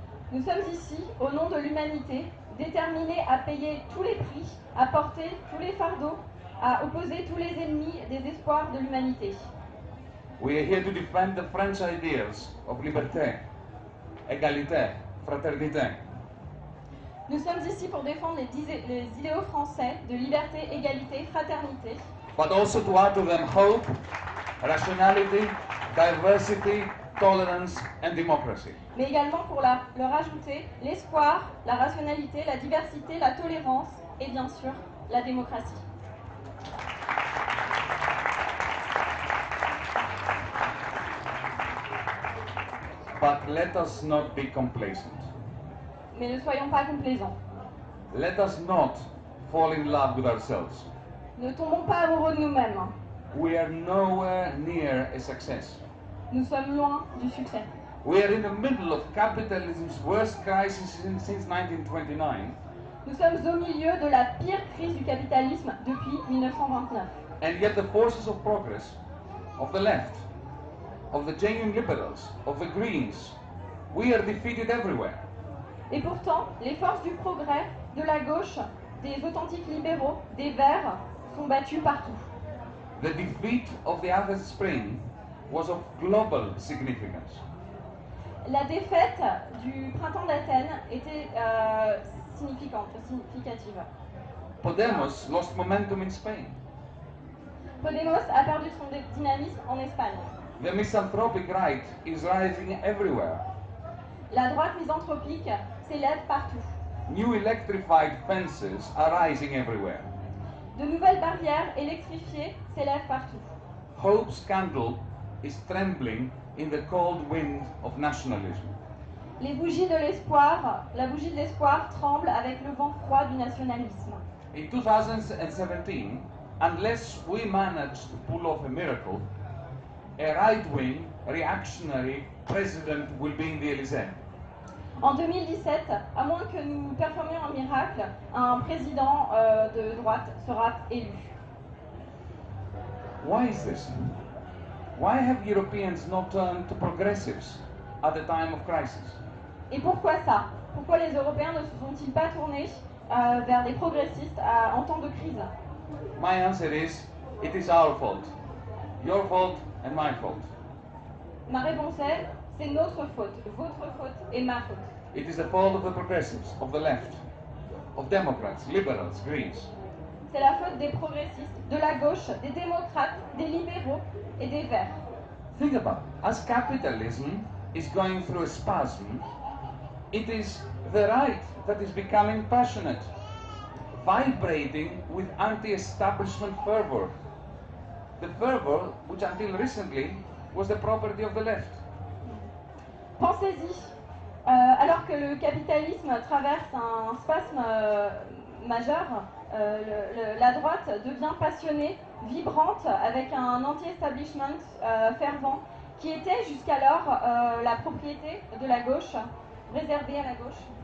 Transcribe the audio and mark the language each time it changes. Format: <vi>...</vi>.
<fr>Nous sommes ici au nom de l'humanité, déterminés à payer tous les prix, à porter tous les fardeaux, à opposer tous les ennemis des espoirs de l'humanité.</fr> <en>We are here to defend the French ideas of</en> <fr>liberté, égalité, fraternité. Nous sommes ici pour défendre les idéaux français de liberté, égalité, fraternité.</fr> <en>But also to add to them hope, rationality, diversity, tolerance and democracy.</en> <fr>Mais également pour leur ajouter l'espoir, la rationalité, la diversité, la tolérance et bien sûr la démocratie.</fr> <en>But let us not be complacent.</en> <fr>Mais ne soyons pas complaisants.</fr> <en>Let us not fall in love with ourselves.</en> <fr>Ne tombons pas amoureux de nous-mêmes.</fr> <en>We are nowhere near a success.</en> <fr>Nous sommes loin du succès.</fr> <en>We are in the middle of capitalism's worst crisis since 1929.</en> <fr>Nous sommes au milieu de la pire crise du capitalisme depuis 1929.</fr> <en>And yet the forces of progress, of the left, of the genuine liberals, of the greens, we are defeated everywhere.</en> <fr>Et pourtant, les forces du progrès, de la gauche, des authentiques libéraux, des verts, sont battues partout.</fr> <en>The defeat of the Athens Spring was of global significance.</en> <fr>La défaite du printemps d'Athènes était significative.</fr> <en>Podemos lost momentum in Spain.</en> <fr>Podemos a perdu son dynamisme en Espagne.</fr> <en>The misanthropic right is rising everywhere.</en> <fr>La droite misanthropique s'élève partout.</fr> <en>New electrified fences are rising everywhere.</en> <fr>De nouvelles barrières électrifiées s'élèvent partout.</fr> <en>Hope's candle is trembling in the cold wind of nationalism.</en> <fr>Les bougies de l'espoir, la bougie de l'espoir tremble avec le vent froid du nationalisme.</fr> <en>In 2017, unless we manage to pull off a miracle, a right-wing, reactionary president will be in the Elysee.</en> <fr>En 2017, à moins que nous performions un miracle, un président de droite sera élu.</fr> <en>Why is this? Why have Europeans not turned to progressives at the time of crisis?</en> <fr>Et pourquoi ça? Pourquoi les Européens ne se sont-ils pas tournés vers les progressistes en temps de crise?</fr> <en>My answer is, it is our fault. Your fault and my fault.</en> <fr>Ma réponse est, c'est notre faute, votre faute et ma faute.</fr> <en>It is the fault of the progressives, of the left, of Democrats, liberals, Greens.</en> <fr>C'est la faute des progressistes, de la gauche, des démocrates, des libéraux et des verts.</fr> <en>Think about it. As capitalism is going through a spasm, it is the right that is becoming passionate, vibrating with anti-establishment fervor. The fervor which until recently was the property of the left.</en> <fr>Pensez-y. Alors que le capitalisme traverse un spasme majeur, la droite devient passionnée, vibrante, avec un anti-establishment fervent qui était jusqu'alors la propriété de la gauche, réservée à la gauche.</fr>